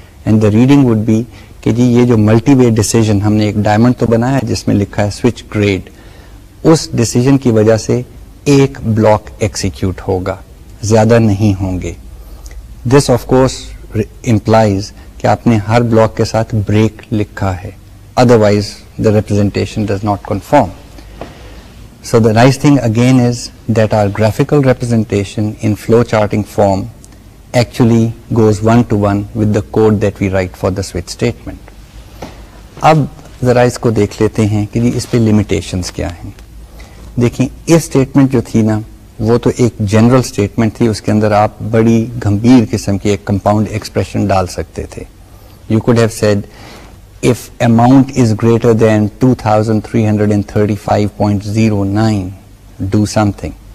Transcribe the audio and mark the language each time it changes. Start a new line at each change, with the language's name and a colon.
English: and the reading would be
Urdu: کہ جی, یہ جو ملٹی وے ڈیسیجن ہم نے ایک ڈائمنڈ تو بنایا جس میں لکھا ہے سوئچ گریڈ, اس ڈیسیجن کی وجہ سے ایک بلاک ایکسیکیوٹ ہوگا, زیادہ نہیں ہوں گے.
English: this of course implies
Urdu: کہ آپ نے ہر بلاک کے ساتھ بریک لکھا ہے,
English: Otherwise the representation does not conform. So the nice thing again is that are graphical representation in flow charting form actually goes one to one with the code that we write for the switch statement.
Urdu: اب ذرا اس کو دیکھ لیتے ہیں کہ اس پہ limitations کیا ہیں. دیکھیں, اس اسٹیٹمنٹ جو تھی نا وہ تو ایک جنرل اسٹیٹمنٹ تھی, اس کے اندر آپ بڑی گمبھیر قسم کی ایک کمپاؤنڈ ایکسپریشن ڈال سکتے تھے.
English: You could have said if amount is greater than 2335.09 do something.